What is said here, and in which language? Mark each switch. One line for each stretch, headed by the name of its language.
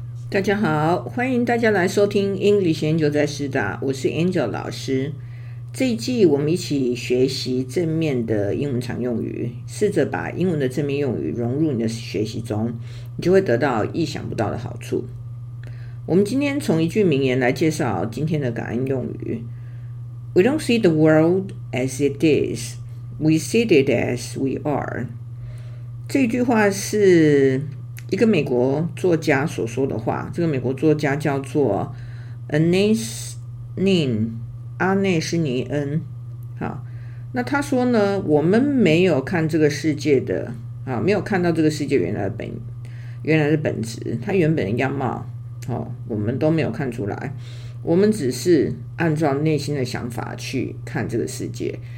Chinese: 大家好，欢迎大家来收听英语研究在师大，我是 Angel 老师。这一季我们一起学习正面的英文常用语，试着把英文的正面用语融入你的学习中，你就会得到意想不到的好处。我们今天从一句名言来介绍今天的感恩用语。
English: We don't see the world as it is, we see it as we are。
Chinese: 这句话是一个美国作家所说的话，这个美国作家叫做 阿内什尼恩。那他说呢，我们没有看这个世界的没有看到这个世界原来的本质，它原本的样貌我们都没有看出来，我们只是按照内心的想法去看这个世界。